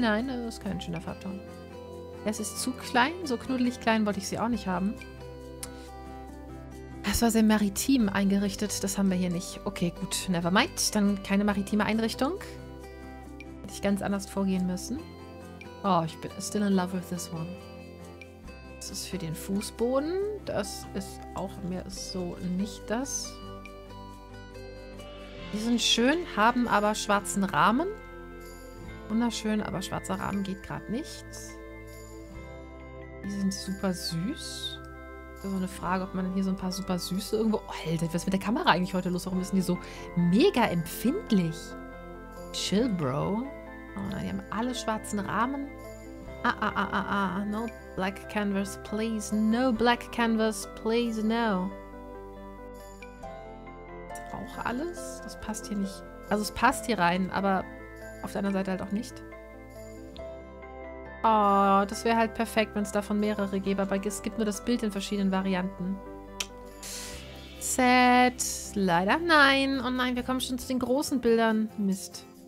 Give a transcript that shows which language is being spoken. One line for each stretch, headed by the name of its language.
German: Nein, das ist kein schöner Farbton. Es ist zu klein. So knuddelig klein wollte ich sie auch nicht haben. Das war sehr maritim eingerichtet. Das haben wir hier nicht. Okay, gut.
English: Never mind.
German: Dann keine maritime Einrichtung. Hätte ich ganz anders vorgehen müssen. Oh, ich bin
English: still in love with this one.
German: Das ist für den Fußboden. Das ist auch mehr so nicht das. Die sind schön, haben aber schwarzen Rahmen. Wunderschön, aber schwarzer Rahmen geht gerade nicht. Die sind super süß. Das ist so eine Frage, ob man hier so ein paar super süße irgendwo... Oh, Alter, was ist mit der Kamera eigentlich heute los? Warum sind die so mega empfindlich?
English: Chill, Bro.
German: Oh, die haben alle schwarzen Rahmen.
English: Ah, ah, ah, ah, ah. No black canvas, please. No black canvas, please, no.
German: Auch alles. Das passt hier nicht. Also es passt hier rein, aber auf der anderen Seite halt auch nicht. Oh, das wäre halt perfekt, wenn es davon mehrere gäbe. Aber es gibt nur das Bild in verschiedenen Varianten. Sad. Leider nein. Oh nein, wir kommen schon zu den großen Bildern. Mist.